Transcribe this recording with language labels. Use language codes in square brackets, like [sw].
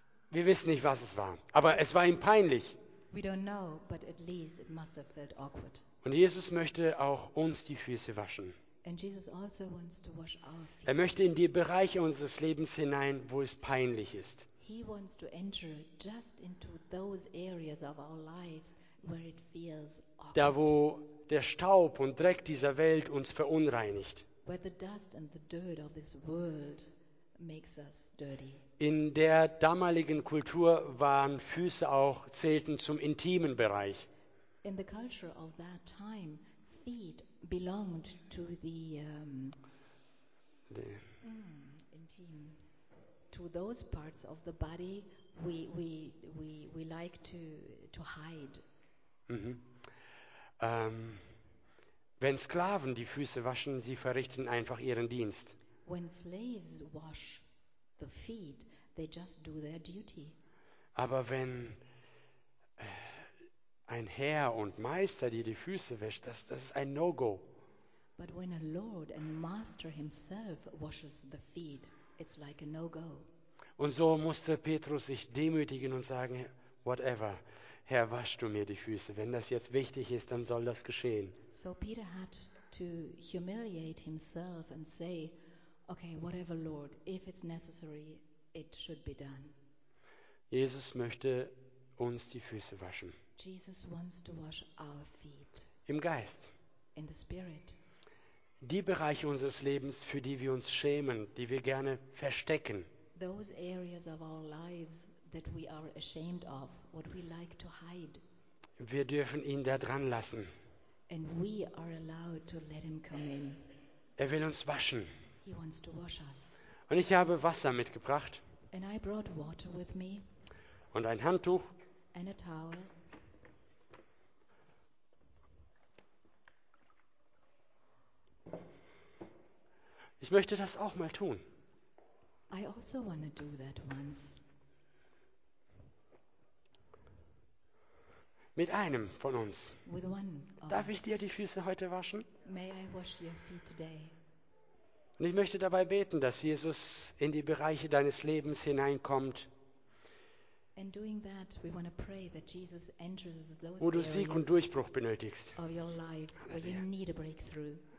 [de] Wir wissen nicht, was es war, aber es war ihm peinlich. [en] We don't know, but at least it must have felt awkward. [de] Und Jesus möchte auch uns die Füße waschen. [en] And Jesus also wants to wash our feet. [de] Er möchte in die Bereiche unseres Lebens hinein, wo es peinlich ist. [en] He wants to enter just into those areas of our lives where it feels awkward. [de] Da wo der Staub und Dreck dieser Welt uns verunreinigt. [en] Where the dust and the dirt of this world makes us dirty. [de] In der damaligen Kultur waren Füße auch zählten zum intimen Bereich. [en] In the culture of that time, feet belonged to the intime, to those parts of the body we like to hide. Mm-hmm. [de] Wenn Sklaven die Füße waschen, sie verrichten einfach ihren Dienst. [en] When slaves wash the feet, they just do their duty. [de] Aber wenn ein Herr und Meister dir die Füße wäscht, das ist ein No-Go. [en] But when a Lord and Master himself washes the feet, it's like a no-go. [de] Und so musste Petrus sich demütigen und sagen, whatever, Herr, wasch du mir die Füße. Wenn das jetzt wichtig ist, dann soll das geschehen. [en] So Peter had to humiliate himself and say, okay, whatever, Lord, if it's necessary, it should be done. [de] Jesus möchte uns die Füße waschen. [en] Jesus wants to wash our feet. [de] Im Geist. [en] In the spirit. [de] Die Bereiche unseres Lebens, für die wir uns schämen, die wir gerne verstecken. [en] Those areas of our lives that we are ashamed of, what we like to hide. [de] Wir dürfen ihn da dran lassen. [en] And we are allowed to let him come in. [de] Er will uns waschen. [en] He wants to wash us. [de] Und ich habe Wasser mitgebracht. [en] And I brought water with me. [de] Und ein Handtuch. [en] And a towel. [de] Ich möchte das auch mal tun. [en] I also wanna do that once. [de] Mit einem von uns. [en] With one of [de] Darf ich dir die Füße heute waschen? [en] May I wash your feet today? [de] Und ich möchte dabei beten, dass Jesus in die Bereiche deines Lebens hineinkommt, wo du Sieg und Durchbruch benötigst. [en] Of your life, where you need a breakthrough.